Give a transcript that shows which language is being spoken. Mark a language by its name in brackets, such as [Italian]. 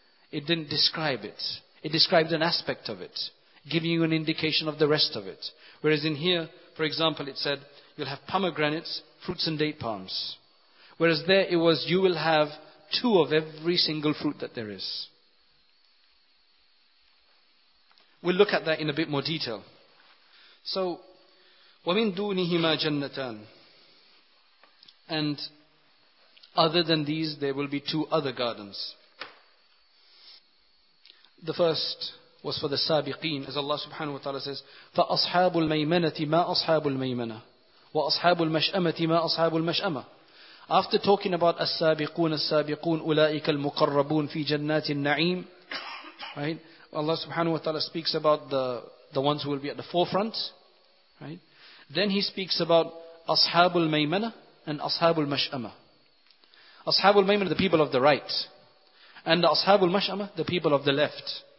[English] It didn't describe it. It described an aspect of it, giving you an indication of the rest of it. Whereas in here, for example, it said, you'll have pomegranates, fruits and date palms. Whereas there it was, you will have two of every single fruit that there is. We'll look at that in a bit more detail. [Arabic] So, وَمِن دُونِهِمَا جَنَّتَانِ. [English] And other than these, there will be two other gardens. The first was for the sabiqeen, as Allah subhanahu wa ta'ala says, [Arabic] فَأَصْحَابُ الْمَيْمَنَةِ مَا أَصْحَابُ الْمَيْمَنَةِ وَأَصْحَابُ الْمَشْأَمَةِ مَا أَصْحَابُ الْمَشْأَمَةِ. [English] After talking about [Arabic] السابقون السابقون أولئك المقربون في جنات النعيم, right? [English] Allah subhanahu wa ta'ala speaks about the ones who will be at the forefront, right? Then he speaks about Ashabul Maymana and Ashabul Mash'ama. Ashabul Maymana, the people of the right. And the Ashabul Mash'ama, the people of the left.